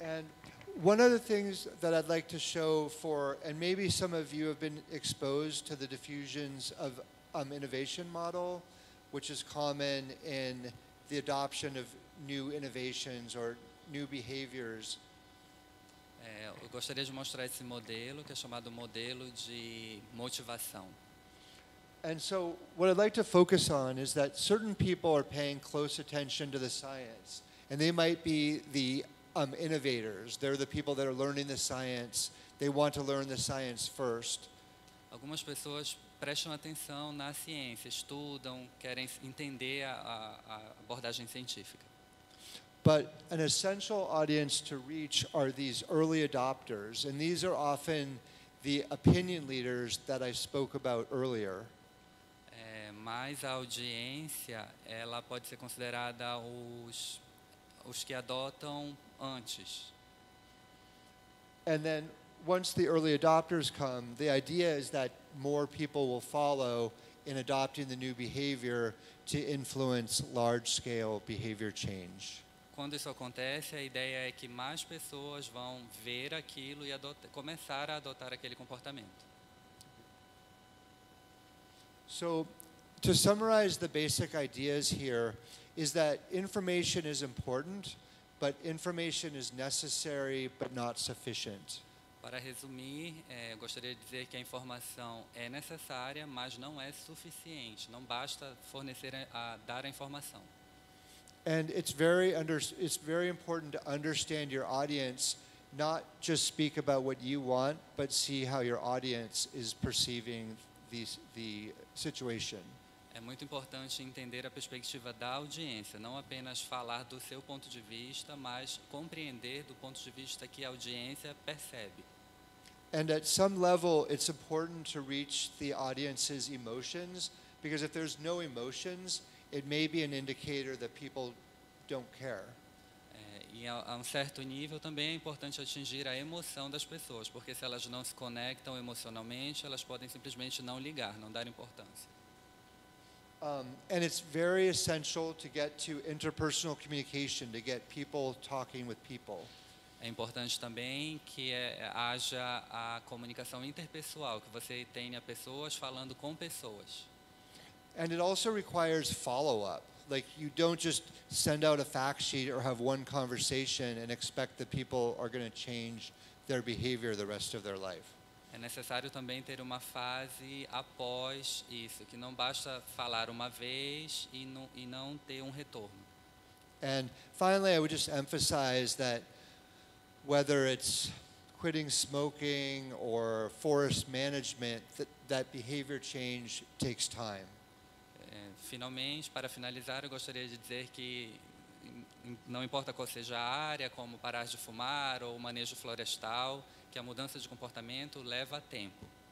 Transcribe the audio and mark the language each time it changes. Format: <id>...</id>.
<en>And one of the things that I'd like to show for, and maybe some of you have been exposed to the diffusions of innovation model, which is common in the adoption of new innovations or new behaviors.</en> <pt>Eu gostaria de mostrar esse modelo, que é chamado modelo de motivação.</pt> <en>And so what I'd like to focus on is that certain people are paying close attention to the science, and they might be the innovators. They're the people that are learning the science. They want to learn the science first.</en> <pt>Algumas pessoas prestam atenção na ciência, estudam, querem entender a abordagem científica.</pt> <en>But an essential audience to reach are these early adopters, and these are often the opinion leaders that I spoke about earlier.</en> <pt>Mas a audiência, ela pode ser considerada os que adotam antes.</pt> <en>And then, once the early adopters come, the idea is that more people will follow in adopting the new behavior to influence large-scale behavior change.</en> <pt>Quando isso acontece, a ideia é que mais pessoas vão ver aquilo e começar a adotar aquele comportamento.</pt> <en>So, to summarize the basic ideas here, is that information is important, but information is necessary, but not sufficient.</en> <pt>Para resumir, gostaria de dizer que a informação é necessária, mas não é suficiente. Não basta fornecer dar a informação.</pt> <en>And it's very important to understand your audience, not just speak about what you want, but see how your audience is perceiving the situation.</en> <pt>É muito importante entender a perspectiva da audiência, não apenas falar do seu ponto de vista, mas compreender do ponto de vista que a audiência percebe.</pt> <en>And at some level, it's important to reach the audience's emotions, because if there's no emotions, it may be an indicator that people don't care.</en> <pt>E a um certo nível também é importante atingir a emoção das pessoas, porque se elas não se conectam emocionalmente, elas podem simplesmente não ligar, não dar importância.</pt> <en>And it's very essential to get to interpersonal communication, to get people talking with people.</en> <pt>É importante também que haja a comunicação interpessoal, que você tenha pessoas falando com pessoas.</pt> <en>And it also requires follow-up. Like, you don't just send out a fact sheet or have one conversation and expect that people are going to change their behavior the rest of their life.</en> <pt>É necessário também ter uma fase após isso, que não basta falar uma vez e não ter retorno.</pt> <en>And finally, I would just emphasize that whether it's quitting smoking or forest management, that behavior change takes time.</en> <pt>Finalmente, para finalizar, eu gostaria de dizer que não importa qual seja a área, como parar de fumar ou manejo florestal, que a mudança de comportamento leva tempo.</pt>